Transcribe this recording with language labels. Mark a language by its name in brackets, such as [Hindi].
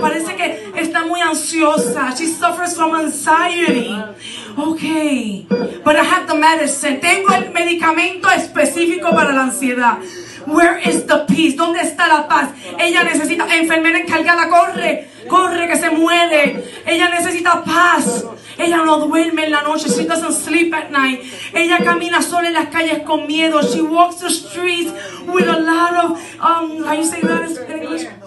[Spanish] Parece que está muy ansiosa. [English] She suffers from anxiety. Okay, but I have the medicine. [Spanish] Tengo el medicamento específico para la ansiedad. [English] Where is the peace? [Spanish] ¿Dónde está la paz? Ella necesita, enfermera encargada, corre, corre que se muere. Ella necesita paz. Ella no duerme en la noche. [English] She doesn't sleep at night. [Spanish] Ella camina sola en las calles con miedo. [English] She walks the streets with a lot of, how you say that in English?